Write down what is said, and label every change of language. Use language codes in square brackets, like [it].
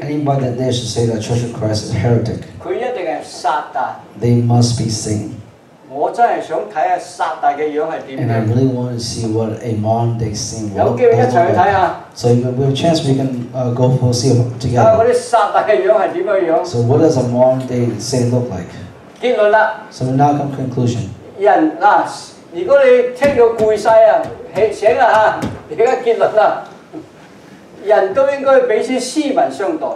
[en] Anybody that dares to say that Church of Christ is a heretic, [zh] 他一定是撒旦。 [en] They must be Satan. [zh] 我真的想看看撒旦的樣子是怎樣。 [en] And I really want to see what a modern day Satan looks like. [zh] 有機會一起去看看。 [en] So we have a chance we can go for see together. [zh] 那些撒旦的樣子是怎樣。 [en] So what does a modern day Satan look like? [zh] 結論了。 [en] So we now come to conclusion. [zh] 人，如果你聽到故事啊， 醒了啊，現在結論了，人都應該彼此斯文相待。